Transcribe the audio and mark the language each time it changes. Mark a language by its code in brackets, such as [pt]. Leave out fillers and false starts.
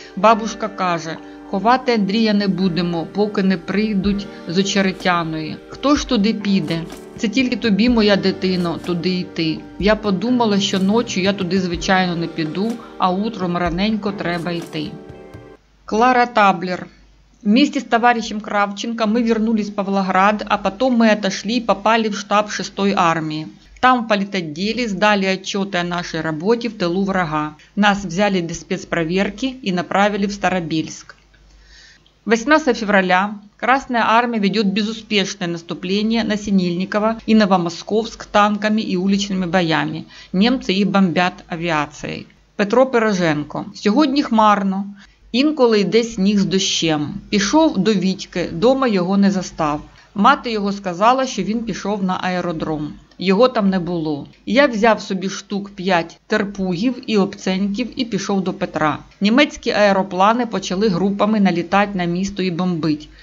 [uk] Бабушка каже, ховати Андрія не будемо, поки не прийдуть з Очеретяної. Хто ж туди піде? Це тільки тобі, моя дитино, туди йти. Я подумала, що ночі я туди звичайно не піду, а утром раненько треба йти. Клара Таблер. [ru] Вместе с товарищем Кравченко мы вернулись в Павлоград, а потом мы отошли и попали в штаб 6-й армии. Там в политотделе сдали отчеты о нашей работе в тылу врага. Нас взяли без спецпроверки и направили в Старобельск. 18 февраля Красная армия ведет безуспешное наступление на Синельниково и Новомосковск танками и уличными боями. Немцы их бомбят авиацией. [uk] Петро Пироженко. Сьогодні хмарно. Інколи йде сніг з дощем. Пішов до Вітьки, дома його не застав. Мати його сказала, що він пішов на аеродром. Його там не було. Я взяв собі штук 5 терпугів і обценьків і пішов до Петра. Німецькі аероплани почали групами налітати на місто і бомбить.